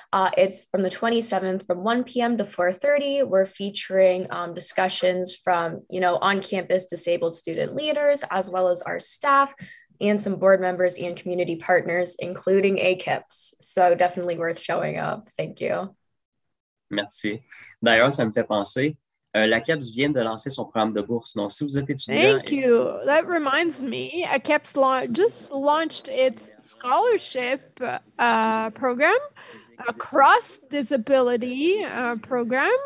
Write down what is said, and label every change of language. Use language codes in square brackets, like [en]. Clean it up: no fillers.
[en] It's from the 27th from 1 p.m. to 4:30. We're featuring discussions from, you know, on-campus disabled student leaders, as well as our staff and some board members and community partners, including AQEIPS. So definitely worth showing up. Thank you. [fr] Merci. D'ailleurs, ça me fait penser. L'AQEIPS vient de lancer son programme de bourse. Donc, si vous êtes étudiant... [en] Thank you. That reminds me, AQEIPS just launched its scholarship program, a cross-disability program.